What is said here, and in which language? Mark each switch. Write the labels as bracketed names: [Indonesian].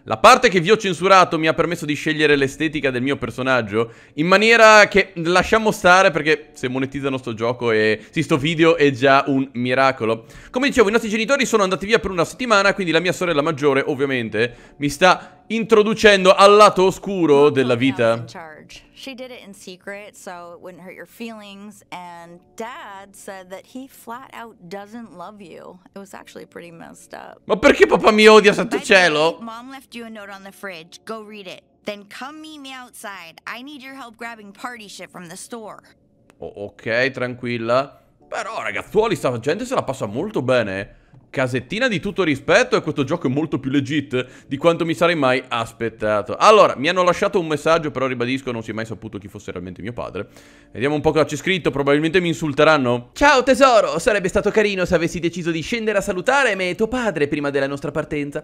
[Italian] La parte che vi ho censurato mi ha permesso di scegliere l'estetica del mio personaggio, in maniera che lasciamo stare, perché se monetizzano sto gioco e sì, sto video è già un miracolo. Come dicevo, i nostri genitori sono andati via per una settimana, quindi la mia sorella maggiore, ovviamente, mi sta introducendo al lato oscuro della vita. [English] She did it in secret so it wouldn't hurt your feelings, and dad said that he flat out doesn't love you. It was actually pretty messed up. [Italian] Ma perché papà mi odia, santo cielo? [English] Mom left you a note on the fridge. Go read it. Then come meet me outside. I need your help grabbing party shit from the store. [Italian] Oh, ok, tranquilla. Però ragazzuoli, sta gente se la passa molto bene. Casettina di tutto rispetto, e questo gioco è molto più legit di quanto mi sarei mai aspettato. Allora, mi hanno lasciato un messaggio, però ribadisco, non si è mai saputo chi fosse realmente mio padre. Vediamo un po' cosa c'è scritto, probabilmente mi insulteranno. Ciao tesoro, sarebbe stato carino se avessi deciso di scendere a salutare me e tuo padre prima della nostra partenza.